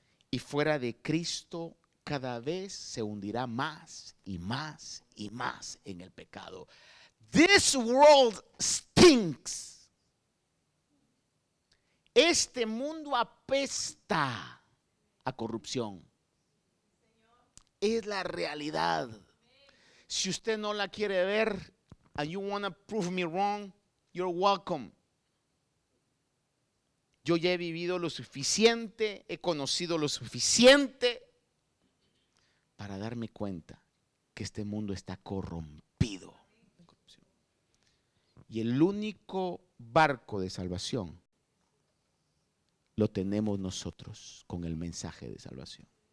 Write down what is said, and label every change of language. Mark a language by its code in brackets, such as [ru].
[es] Y fuera de Cristo cada vez se hundirá más y más y más en el pecado. [en] This world stinks. [es] Este mundo apesta a corrupción. Es la realidad. Si usted no la quiere ver, [en] and you want to prove me wrong, you're welcome. [es] Yo ya he vivido lo suficiente, he conocido lo suficiente para darme cuenta que este mundo está corrompido. Y el único barco de salvación lo tenemos nosotros con el mensaje de salvación.